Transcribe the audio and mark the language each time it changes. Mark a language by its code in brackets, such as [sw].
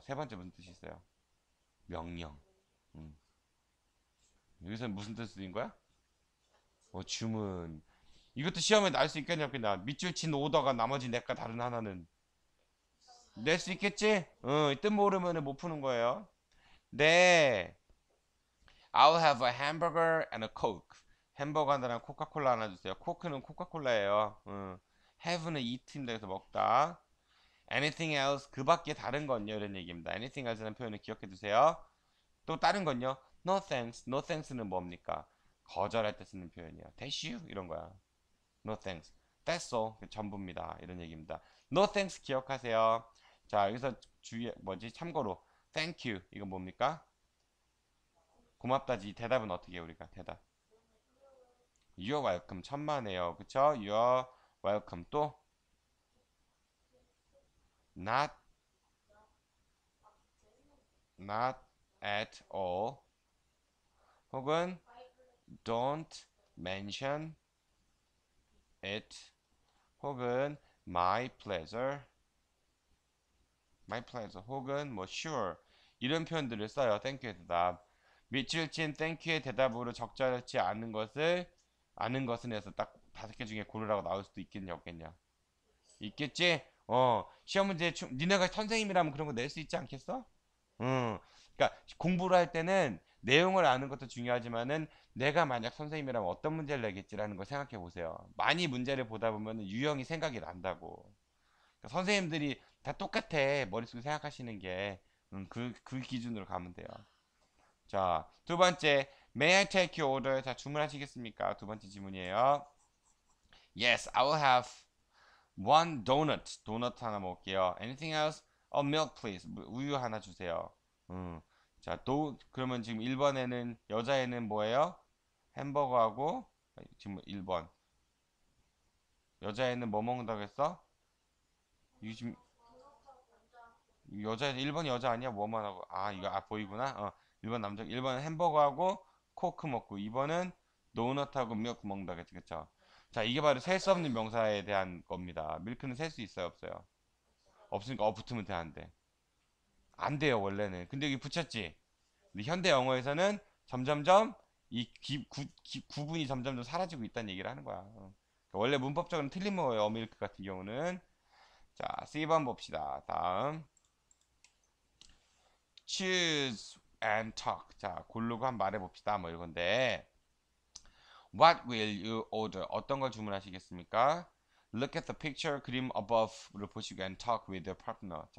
[ko] 세 번째 무슨 뜻이 있어요? 명령. 여기서 무슨 뜻인 거야? 주문. 이것도 시험에 나올 수 있겠냐? 그냥 밑줄 친 오더가 나머지 네개 다른 하나는. 낼수 있겠지? 뜻 모르면 못 푸는 거예요. 네. [en] I'll have a hamburger and a coke. [ko] 햄버거 하나랑 코카콜라 하나 주세요. 코크는 코카콜라예요. Have는 eat입니다. 그래서 먹다. [en] Anything else? [ko] 그 밖에 다른 건요? 이런 얘기입니다. Anything else라는 표현을 기억해 두세요. 또 다른 건요? [en] No thanks. [ko] No thanks는 뭡니까? 거절할 때 쓰는 표현이에요. [en] That's you? [ko] 이런 거야. [en] No thanks. That's all. [ko] 전부입니다. 이런 얘기입니다. No thanks 기억하세요. 자, 여기서 주의, 뭐지? 참고로. [en] Thank you. [ko] 이건 뭡니까? 고맙다지. 대답은 어떻게 해요, 우리가? 대답. [en] You're welcome. [ko] 천만에요. 그쵸? [en] You're welcome. [ko] 또? [en] Not at all. 혹은 don't mention it. 혹은 my pleasure. [ko] 혹은 뭐 sure. 이런 표현들을 써요. [en] Thank you 대답. [ko] 밑줄 친 땡큐의 대답으로 적절치 않은 것을 아는 것은 해서 딱 다섯 개 중에 고르라고 나올 수도 있겠냐 없겠냐. 있겠지? 시험 문제 니네가 선생님이라면 그런 거낼수 있지 않겠어? 응. 그러니까 공부를 할 때는 내용을 아는 것도 중요하지만은 내가 만약 선생님이라면 어떤 문제를 내겠지라는 걸 생각해 보세요. 많이 문제를 보다 보면 유형이 생각이 난다고. 그러니까 선생님들이 다 똑같아. 머릿속에 생각하시는 게. 그 기준으로 가면 돼요. [en] 자, 두 번째, May I take your order? [ko] 자, 주문하시겠습니까? 두 번째 질문이에요. [en] Yes, I will have one donut. [ko] 도넛 하나 먹을게요. [en] Anything else? A milk, please. [ko] 우유 하나 주세요. 자, 그러면 지금 1번에는, 여자애는 뭐예요? 햄버거하고, 지금 1번. 여자애는 뭐 먹는다고 했어? 이게 지금, 여자애, 1번 여자 아니야? 뭐만 하고, 아, 이거, 아, 보이구나? 1번 남자, 1번은 햄버거하고 코크 먹고, 2번은 도넛하고 밀크 먹는다 그랬지, 그쵸? 자, 이게 바로 셀수 없는 명사에 대한 겁니다. 밀크는 셀수 있어요, 없어요? 없으니까 어 붙으면 되는데. 안 돼요, 원래는. 근데 여기 붙였지? 근데 현대 영어에서는 점점점 이 구분이 점점점 사라지고 있다는 얘기를 하는 거야. 원래 문법적으로는 틀린 거예요, 밀크 같은 경우는. 자, C번 봅시다. 다음. [en] Choose and talk. [ko] 자, 고르고 한 말해 봅시다. 뭐 이런 건데. [en] What will you order? [ko] 어떤 걸 주문하시겠습니까? [en] Look at the picture, [ko] 그림 [en] above를 [ko] 보시고 [en] and talk with your partner.